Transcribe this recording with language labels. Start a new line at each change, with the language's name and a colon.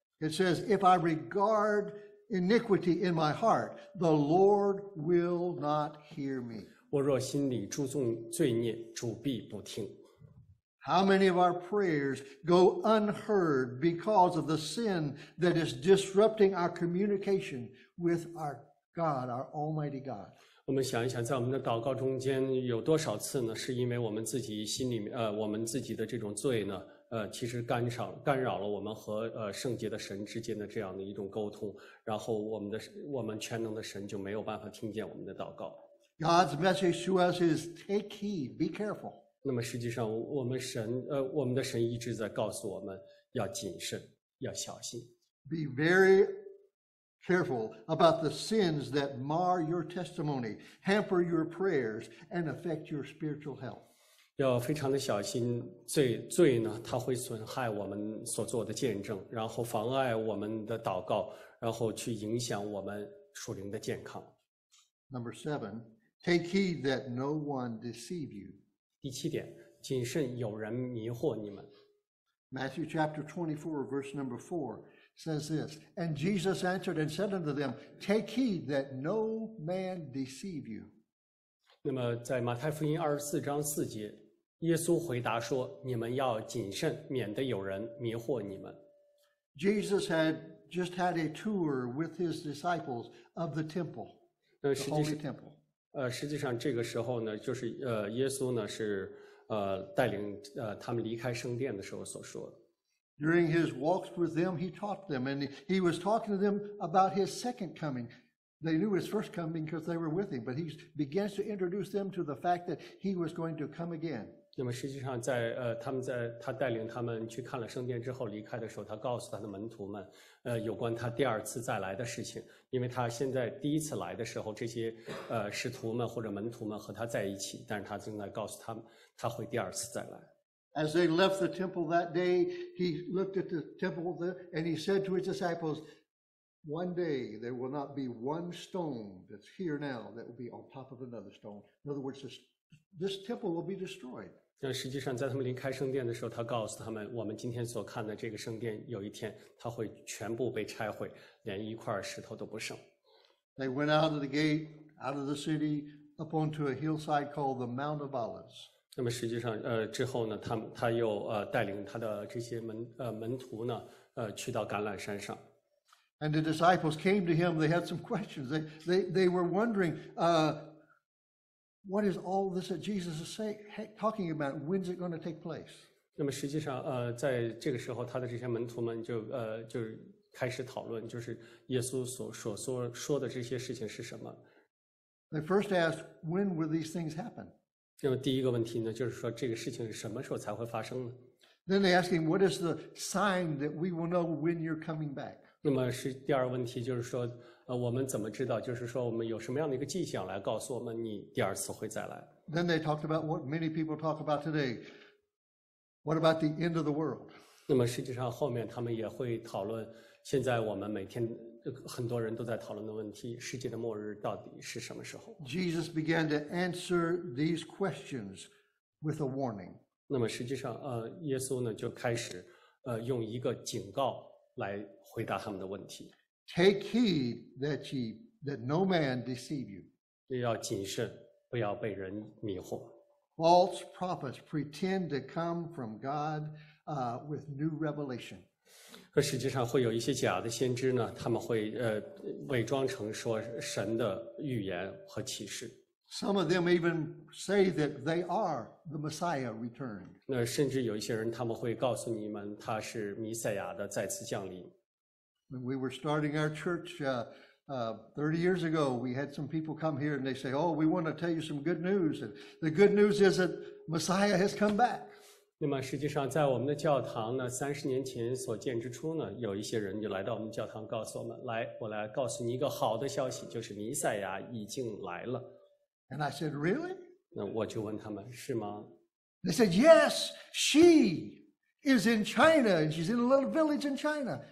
English: It says, if I regard iniquity in my heart, the Lord will not hear me.
Chinese: 我若心里注重罪孽，主必不听。
English: How many of our prayers go unheard because of the sin that is disrupting our communication with our God, our Almighty God?
Chinese: 我们想一想，在我们的祷告中间有多少次呢？是因为我们自己心里面我们自己的这种罪呢，其实干扰了我们和圣洁的神之间的这样的一种沟通，然后我们全能的神就没有办法听见我们的祷告。
English: God's message to us is take heed, be careful.
Chinese: 那么实际上，我们的神一直在告诉我们要谨慎，要小心。
English: Be very careful about the sins that mar your testimony, hamper your prayers, and affect your spiritual health.
Chinese: 要非常的小心，罪呢，它会损害我们所做的见证，然后妨碍我们的祷告，然后去影响我们属灵的健康。
English: Number seven, take heed that no one deceive you.
Chinese: 第七点，谨慎有人迷惑你们。
English: Matthew chapter 24, verse number 4. Says this, and Jesus answered and said unto them, Take heed that no man deceive you.
Chinese: 那么在马太福音24:4，耶稣回答说：“你们要谨慎，免得有人迷惑你们。”
English: Jesus had just had a tour with his disciples of the temple, the holy temple.
Chinese: 实际上这个时候呢，就是耶稣呢是带领他们离开圣殿的时候所说的。
English: During his walks with them, he taught them, and he was talking to them about his second coming. They knew his first coming because they were with him, but he begins to introduce them to the fact that he was going to come again.
Chinese: 那么实际上在他带领他们去看了圣殿之后离开的时候，他告诉他的门徒们有关他第二次再来的事情，因为他现在第一次来的时候，这些使徒们或者门徒们和他在一起，但是他正在告诉他们他会第二次再来。
English: As they left the temple that day, he looked at the temple and he said to his disciples, One day there will not be one stone that's here now that will be on top of another stone. In other words, this temple will be destroyed.
Chinese: 但实际上在他们离开圣殿的时候，他告诉他们，我们今天所看的这个圣殿有一天它会全部被拆毁，连一块石头都不剩。
English: They went out of the gate, out of the city, up onto a hillside called the Mount of Olives.
Chinese: 那么实际上之后呢他又带领他的这些门徒呢去到橄榄山上。
English: And the disciples came to him, they had some questions. They were wondering, what is all this that Jesus is talking about? When's it going to take place?
Chinese: 那么实际上在这个时候他的这些门徒们就开始讨论，就是耶稣所说的这些事情是什么。
English: I first asked, when will these things happen?
Chinese: 那么第一个问题呢，就是说这个事情什么时候才会发生呢？
English: Then they asked him, what is the sign that we will know when you're coming back?
Chinese: 那么是第二个问题，就是说我们怎么知道，就是说我们有什么样的一个迹象来告诉我们你第二次会再来？
English: Then they talked about what many people talk about today. What about the end of the world?
Chinese: 那么实际上后面他们也会讨论现在我们每天很多人都在讨论的问题，世界的末日到底是什么时候？
English: Jesus began to answer these questions with a warning.
Chinese: 那么实际上耶稣呢就开始用一个警告来回答他们的问题。
English: Take heed that no man deceive you.
Chinese: 要谨慎，不要被人迷惑。
English: False prophets pretend to come from God with new revelation.
Chinese: 可实际上会有一些假的先知呢，他们会伪装成说神的预言和启示。
English: Some of them even say that they are the Messiah returned.
Chinese: 那甚至有一些人他们会告诉你们他是弥赛亚的再次降临。
English: When we were starting our church 30 years ago, we had some people come here and they say, oh, we want to tell you some good news. And the good news is that Messiah has come back.
Chinese: 那么实际上在我们的教堂呢，30年前所建之初呢，有一些人就来到我们教堂告诉我们，来，我来告诉你一个好的消息，就是弥赛亚已经来了。
English: And I said, really?
Chinese: 那我就问他们，是吗？
English: They said, yes, she. Is in China, and she's in a little village in China.